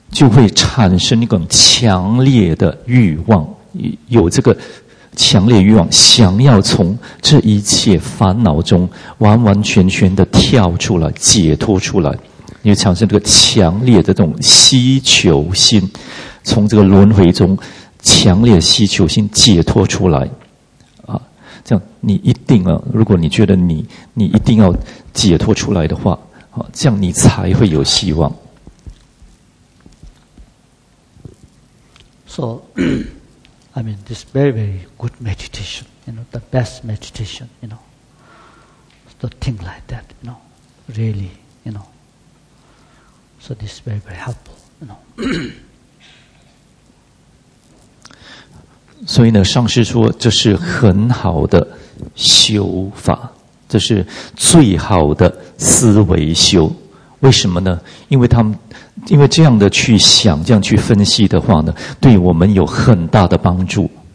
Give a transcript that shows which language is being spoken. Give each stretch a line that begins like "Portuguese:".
Chinese: 会产生一种强烈的欲望，有这个强烈欲望，想要从这一切烦恼中完完全全的跳出来、解脱出来，你会产生这个强烈的这种希求心，从这个轮回中强烈希求心解脱出来。这样你一定啊，如果你觉得你一定要解脱出来的话，这样你才会有希望。
English: So, I mean, this very, very good meditation, you know, the best meditation, you know, the thing like that, you know, really, you know. So this is very, very helpful, you know.
Chinese: 所以呢，上师说这是很好的修法，这是最好的思维修。为什么呢？因为这样的去想，这样去分析的话呢，对我们有很大的帮助。